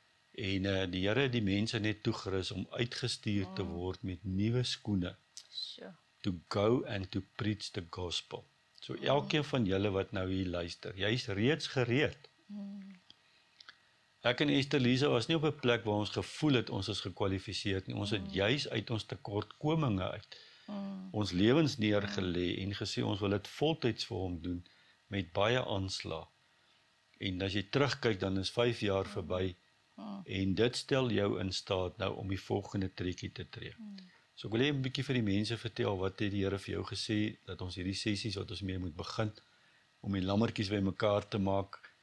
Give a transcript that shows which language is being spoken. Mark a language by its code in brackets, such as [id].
[af] En die Here het die mense net toegerus om uitgestuur te word met nuwe skoene. So. [en] To go and to preach the gospel. [af] So elkeen van julle wat nou hier luister, jy is reeds gereed. Ek en Esther Lisa was nie op 'n plek waar ons gevoel het ons is gekwalifiseerd nie. Ons het juis uit ons tekortkominge uit. Ons lewens neergelê en gesê ons wil dit voltyds vir hom doen met baie aanslag. En as jy terugkyk dan is 5 jaar verby. En dit stel jou in staat nou om die volgende trekkie te tree. So ek wil jy een bykie vir die mense vertel, wat het die Here vir jou gesê, dat ons hierdie sessies wat ons mee moet begin, om die lammerkies by mekaar te maak.